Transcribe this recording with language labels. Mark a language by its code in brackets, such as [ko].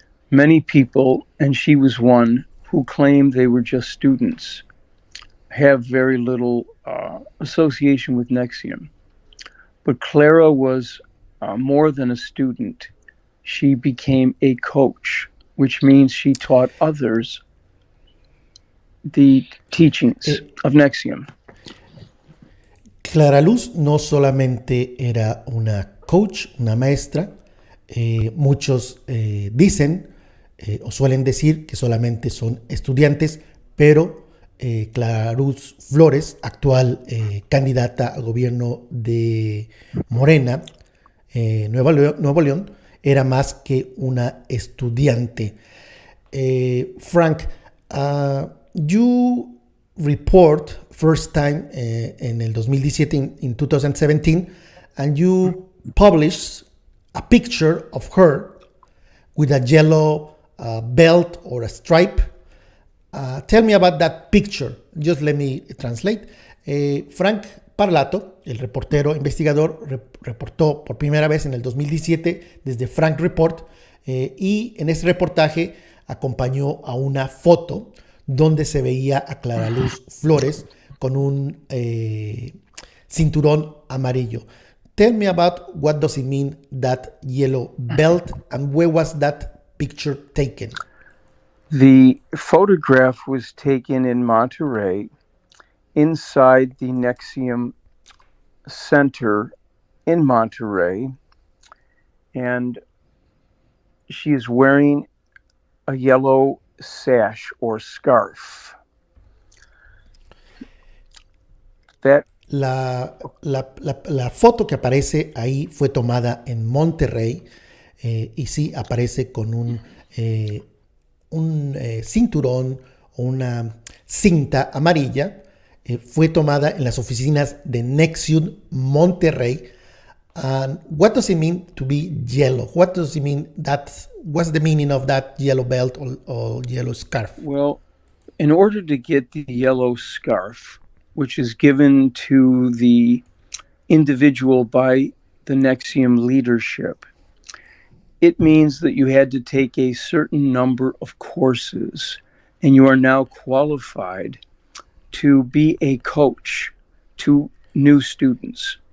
[en] Many people, and she was one, who claimed they were just students, have very little association with Nexium. But Clara was more than a student. She became a coach, which means she taught others the teachings of Nexium. [es] Clara Luz no solamente era una coach, una maestra, muchos dicen o suelen decir que solamente son estudiantes, pero Clara Luz Flores, actual candidata al gobierno de Morena, Nuevo León, era más que una estudiante. [en] Frank, you report first time [es] en el 2017, [en] in 2017, and you publish a picture of her with a yellow belt or a stripe. Tell me about that picture. Just let me translate. [es] Frank Parlato, el reportero investigador, reportó por primera vez en el 2017 desde Frank Report, y en ese reportaje acompañó a una foto donde se veía a Clara Luz Flores con un cinturón amarillo. [en] Tell me about what does it mean that yellow belt and where was that picture taken? The photograph was taken in Monterey inside the Nexium Center in Monterey, and she is wearing a yellow sash or scarf. [es] La foto que aparece ahí fue tomada en Monterrey, y sí aparece con un cinturón o una cinta amarilla. Fue tomada en las oficinas de Nexium Monterrey. [en] And what does it mean to be yellow? What does it mean that, what's the meaning of that yellow belt or yellow scarf? Well, in order to get the yellow scarf, which is given to the individual by the Nexium leadership, it means that you had to take a certain number of courses and you are now qualified to be a coach to new students.